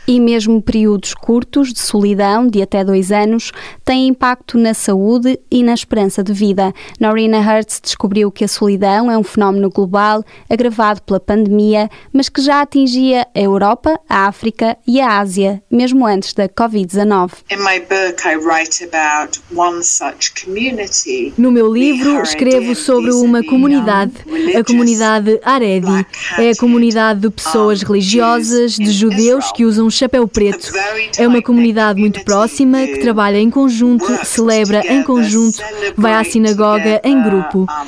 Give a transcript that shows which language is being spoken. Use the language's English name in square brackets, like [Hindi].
[Portuguese] E mesmo períodos curtos de solidão, de até 2 anos, têm impacto na saúde e na esperança de vida. Norina Hertz descobriu que a solidão é um fenómeno global, agravado pela pandemia, mas que já atingia a Europa, a África e a Ásia, mesmo antes da Covid-19. [English] In my book, I write about one such community. [Portuguese] No meu livro, escrevo sobre uma comunidade, a comunidade Haredi. É a comunidade de pessoas religiosas, de judeus que usam um chapéu preto. É uma comunidade muito próxima que trabalha em conjunto, celebra em conjunto, vai à sinagoga em grupo.